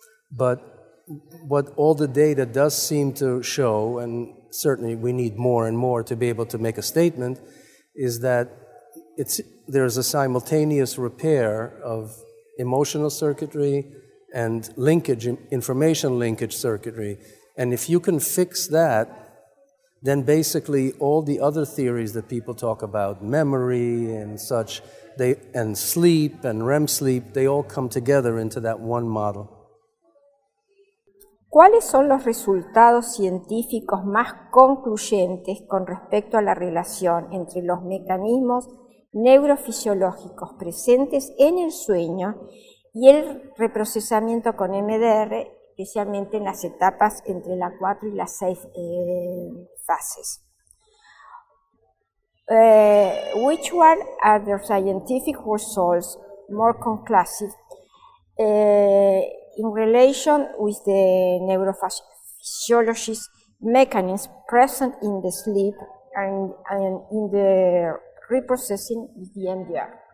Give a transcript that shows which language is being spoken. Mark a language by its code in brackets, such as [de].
[en] But what all the data does seem to show, and certainly we need more and more to be able to make a statement, is that there's a simultaneous repair of emotional circuitry and linkage, information linkage circuitry. And if you can fix that, then basically all the other theories that people talk about, memory and such, and sleep and REM sleep, they all come together into that one model. [es] ¿Cuáles son los resultados científicos más concluyentes con respecto a la relación entre los mecanismos neurofisiológicos presentes en el sueño y el reprocesamiento con EMDR, especialmente en las etapas entre la 4 y las 6 fases? [en] Which one are the scientific results more conclusive in relation with the neurophysiology's mechanisms present in the sleep and in the reprocessing with the EMDR?